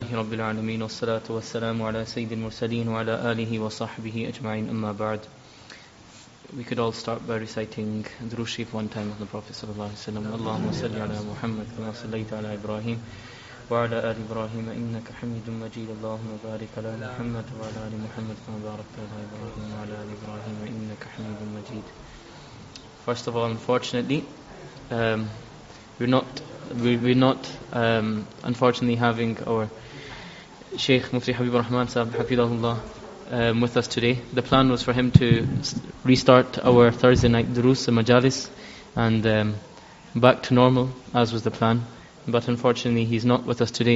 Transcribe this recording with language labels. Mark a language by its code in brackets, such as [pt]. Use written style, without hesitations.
[ar] لله رب العالمين والصلاة والسلام على سيد المرسلين وعلى آله وصحبه أجمعين أما بعد. [en] We could all start by reciting Durood Sharif one time on the Prophet [ar] صلى الله عليه وسلم. اللهم صل على محمد كما صليت على إبراهيم وعلى آل إبراهيم إنك حميد مجيد. اللهم بارك على محمد وعلى آل محمد كما باركت على إبراهيم وعلى آل إبراهيم إنك حميد مجيد. [en] First of all, unfortunately, we're not unfortunately having our Sheikh Mufti Habib Rahman Sahib Hafidahullah with us today. The plan was for him to restart our Thursday night durus and majalis and back to normal, as was the plan, but unfortunately he's not with us today.